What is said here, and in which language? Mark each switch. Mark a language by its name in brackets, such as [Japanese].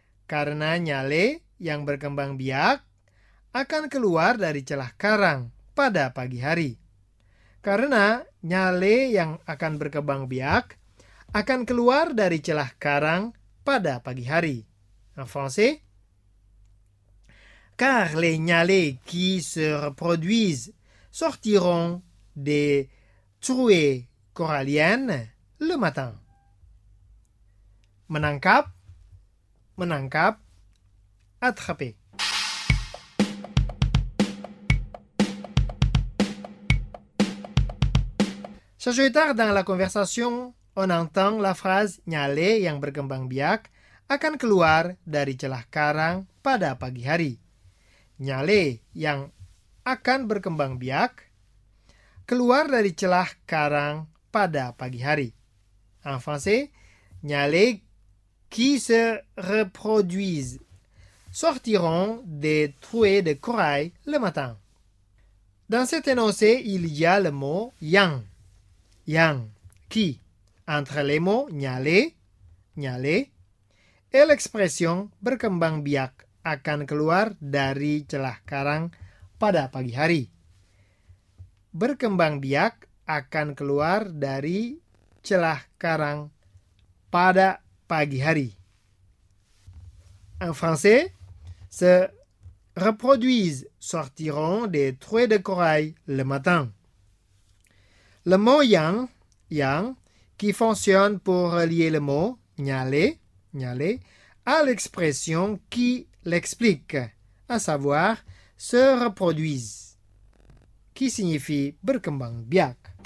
[Indonesian] Karena nyale yang berkembang biak akan keluar dari celah karang pada pagi hari. Karena nyale yang akan berkembang biak akan keluar dari celah karang pada pagi hari. [French] En français. Car les nyales qui se reproduisent sortiront des trouées coralienne le matin. [Indonesian] Menangkap, menangkap, [French] attraper. Chaque jour, dans la conversation, on entend la phrase [Indonesian] nyale yang berkembang biak akan keluar dari celah karang pada pagi hari. Nyale yang akan berkembang biak keluar dari celah karang pada pagi hari. [French] En français, nyale qui se reproduisent sortiront des trouées de corail le matin. Dans cet énoncé, il y a le mot yang. [Indonesian] Yang, [French] qui. Entre les mots [Indonesian] nyale, nyale, [French] et l'expression [Indonesian] berkembang biak akan keluar dari celah karang pada pagi hari. Berkembang biak akan keluar dari celah karang pada pagi hari. [French] En français, se reproduisent sortiront des trouées de corail le matin. Le mot yang, yang, qui fonctionne pour relier le mot nialer à l'expression qui l'explique, à savoir se reproduise, qui signifie [Indonesian] berkembang biak.